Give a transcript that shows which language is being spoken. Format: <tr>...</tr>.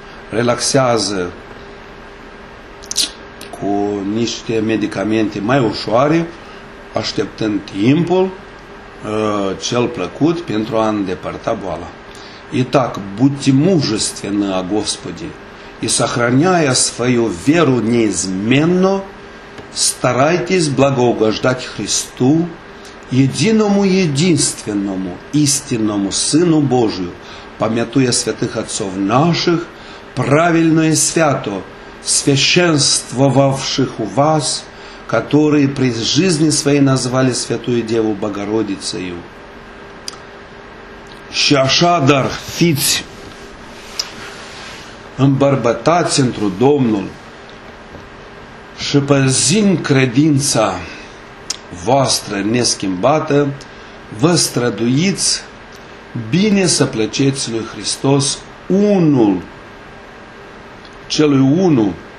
<ro>relaxează cu niște medicamente mai ușoare, așteptând timpul cel plăcut pentru a îndepărta boala.</ro> <ru>И так, будьте мужественны о Господе, и сохраняя свою веру неизменно, старайтесь благоугождать Христу, единому единственному истинному Сыну Божию, памятуя святых отцов наших, правильно и свято, священствовавших у вас, которые при жизни своей назвали Святую Деву Богородицею.</ru> <ro>Și așadar fiți îmbărbătați întru Domnul și păzind credința voastră neschimbată, vă străduiți bine să plăceți lui Hristos unul celui unu</ro>